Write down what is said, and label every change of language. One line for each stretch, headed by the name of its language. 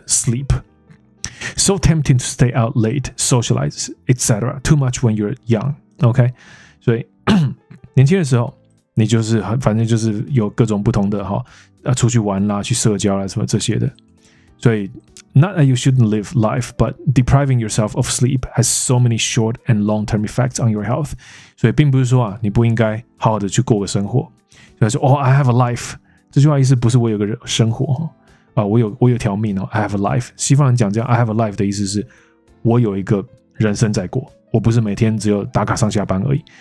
English: Sleep, so tempting to stay out late, socialize, etc. Too much when you're young.
Chinese: OK, 所以年轻的时候，你就是很反正就是有各种不同的哈、出去玩啦，去社交啦什么这些的。所以
English: Not that you shouldn't live life, but depriving yourself of sleep has so many short and long-term effects on your health.
Chinese: 所以并不是说、啊、你不应该好好的去过个生活。所以他说
English: I have a life.
Chinese: 这句话意思不是我有个生活、啊、我有条命、哦、I have a life. 西方人讲这样
English: I have a life
Chinese: 的意思是我有一个人生在过，我不是每天只有打卡上下班而已。